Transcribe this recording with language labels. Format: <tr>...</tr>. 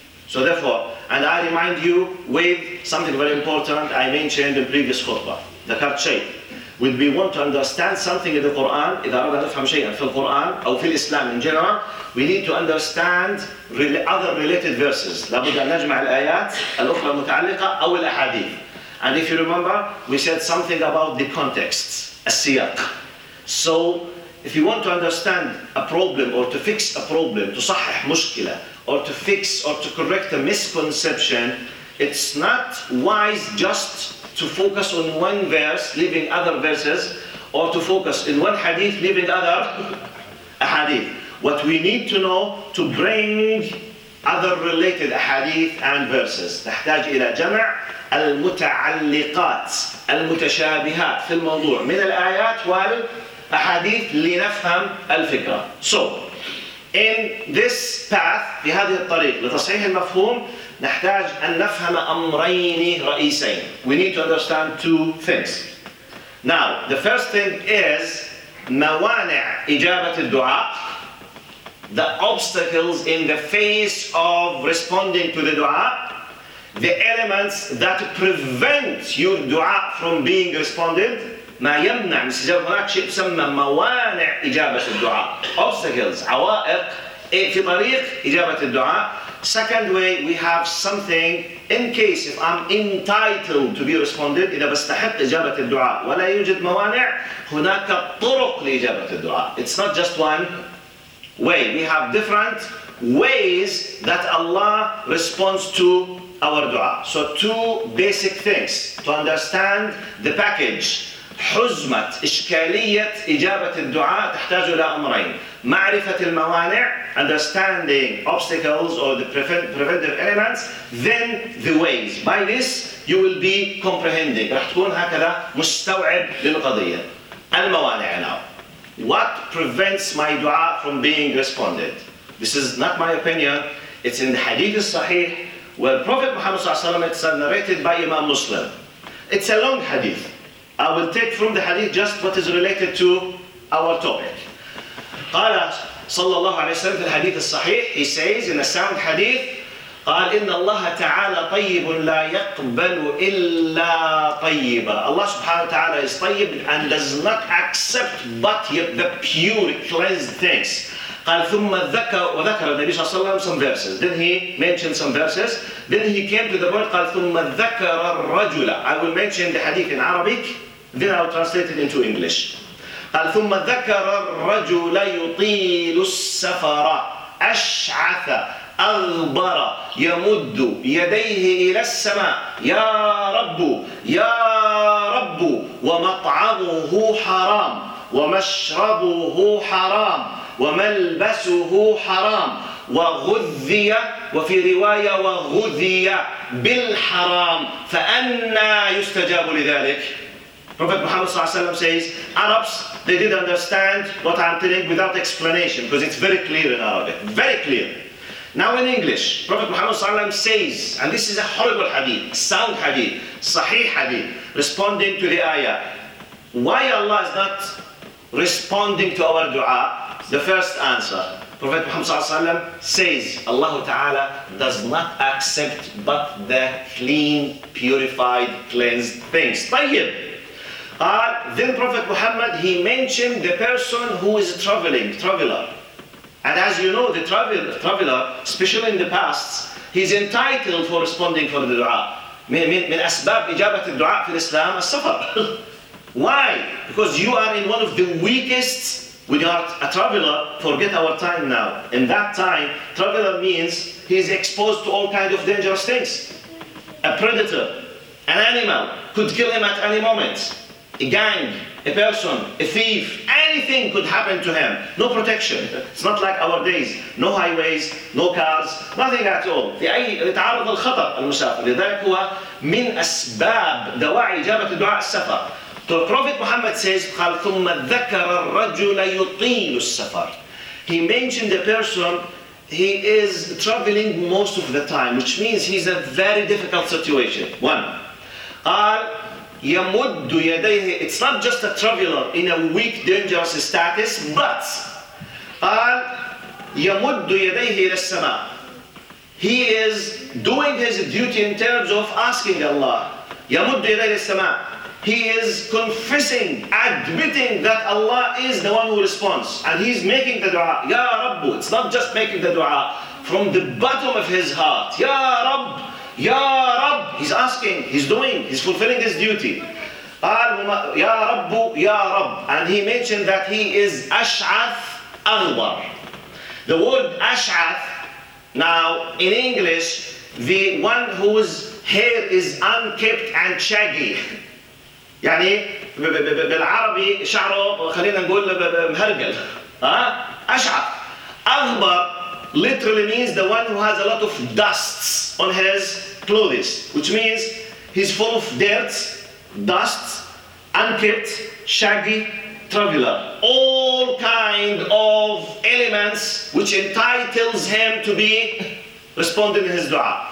<en>So therefore, and I remind you with something very important I mentioned in previous khutbah, the Dhakart Shaykh. When we want to understand something in the Quran,</en> <ar>إذا أردنا نفهم شيئا في القرآن أو في الإسلام</ar> <en>in general, we need to understand other related verses.</en> <ar>لابد أن نجمع الآيات الأخرى المتعلقة أو الأحاديث.</ar> <en>And if you remember, we said something about the context,</en> <ar>السياق.</ar> <en>So, if you want to understand a problem or to fix a problem, to</en> <ar>صحح مشكلة,</ar> <en>or to fix or to correct a misconception, it's not wise just to focus on one verse, leaving other verses, or to focus in one hadith, leaving other hadith. What we need to know to bring other related hadith and verses.</en> <ar>نحتاج إلى جمع المتعلقات المتشابهات في الموضوع من الآيات والأحاديث لنفهم الفكرة.</ar> <en>So, in this path,</en> <ar>في هذه الطريق لتصحيح المفهوم, نحتاج أن نفهم أمرين رئيسين.</ar> <en>We need to understand two things. Now, the first thing is</en> <ar>موانع إجابة الدعاء,</ar> <en>the obstacles in the face of responding to the دعاء, the elements that prevent your دعاء from being responded.</en> <ar>ما يمنع من استجابة هناك شيء يسمى موانع إجابة الدعاء.</ar> <en>Obstacles,</en> <ar>عوائق في طريق إجابة الدعاء.</ar> <en>Second way, we have something in case if I'm entitled to be responded,</en> <ar>إذا بستحق إجابة الدعاء ولا يوجد موانع, هناك طرق لإجابة الدعاء.</ar> <en>It's not just one way. We have different ways that Allah responds to our dua. So two basic things to understand the package.</en> <ar>حزمة إشكالية إجابة الدعاء تحتاج إلى أمرين. معرفة الموانع,</ar> <en>understanding obstacles or the preventive elements, then the ways. By this, you will be comprehending.</en> <ar>رح تكون هكذا مستوعب للقضية. الموانع</ar> <en>now. What prevents my dua from being responded? This is not my opinion. It's in the hadith al-sahih, where Prophet Muhammad sallallahu alaihi wasallam, it's narrated by Imam Muslim. It's a long hadith. I will take from the hadith just what is related to our topic.</en> <ar>قال صلى الله عليه وسلم في الحديث الصحيح,</ar> <en>he says in a sound hadith,</en> <ar>قال إن الله تعالى طيب لا يقبل إلا طيبا.</ar> <en>Allah subhanahu wa ta'ala is طيب and does not accept but the pure cleansed things.</en> <ar>قال ثم ذكر وذكر النبي صلى الله عليه وسلم</ar> <en>some verses. Then he mentioned some verses. Then he came to the point</en> <ar>قال ثم ذكر الرجل.</ar> <en>I will mention the hadith in Arabic. Then I will translate it into English.</en> <ar>قال ثم ذكر الرجل يطيل السفر أشعث أغبر يمد يديه إلى السماء يا رب يا رب ومطعمه حرام ومشربه حرام وملبسه حرام وغذي وفي رواية وغذي بالحرام فأنى يستجاب لذلك.</ar> <en>Prophet Muhammad sallallahu alaihi wasallam says, Arabs, they didn't understand what I'm telling without explanation, because it's very clear in Arabic, very clear. Now in English, Prophet Muhammad sallallahu alaihi wasallam says, and this is a horrible hadith, sound hadith, sahih hadith, responding to the ayah. Why Allah is not responding to our dua? The first answer, Prophet Muhammad sallallahu alaihi wasallam says, Allah Ta'ala does not accept but the clean, purified, cleansed things.</en> <ar>طيب.</ar> <en>Then Prophet Muhammad, he mentioned the person who is traveler. And as you know, the traveler, especially in the past, he's entitled for responding for the dua.</en> <ar>من أسباب إجابة الدعاء في الإسلام السفر.</ar> <en>Why? Because you are in one of the weakest, when you are a traveler, forget our time now. In that time, traveler means he's exposed to all kinds of dangerous things. A predator, an animal, could kill him at any moment. A gang, a person, a thief, anything could happen to him. No protection. It's not like our days. No highways, no cars, nothing at all.</en> <ar>في أي تعرض الخطر المسافر. لذلك هو من أسباب دواعي إجابة الدعاء السفر.</ar> <en>The Prophet Muhammad says,</en> <ar>قال ثم ذكر الرجل يطيل السفر.</ar> <en>He mentioned the person, he is traveling most of the time, which means he's in a very difficult situation. One.</en> <ar>قال يَمُدُّ يَدَيْهِ.</ar> <en>It's not just a traveler in a weak, dangerous status, but</en> <ar>قال يَمُدُّ يَدَيْهِ إِلَى السَّمَاءِ.</ar> <en>He is doing his duty in terms of asking Allah.</en> <ar>يَمُدُّ يَدَيْهِ السَّمَاءِ.</ar> <en>He is confessing, admitting that Allah is the one who responds. And he's making the dua.</en> <ar>يَا رَبُّ.</ar> <en>It's not just making the dua. From the bottom of his heart.</en> <ar>يَا رَبُّ.</ar> <en>Ya Rabb, he's asking, he's doing, he's fulfilling his duty. Ya Rabbu, Ya Rabb. And he mentioned that he is Ash'ath Aghbar. The word Ash'ath, now in English, the one whose hair is unkept and shaggy.</en> <ar>يعني بالعربي شعره خلينا نقول مهرقل.</ar> <en>Ash'ath Aghbar literally means the one who has a lot of dusts on his clothes, which means he's full of dirt, dust, unkempt, shaggy, traveler. All kind of elements which entitles him to be responding in his dua.</en>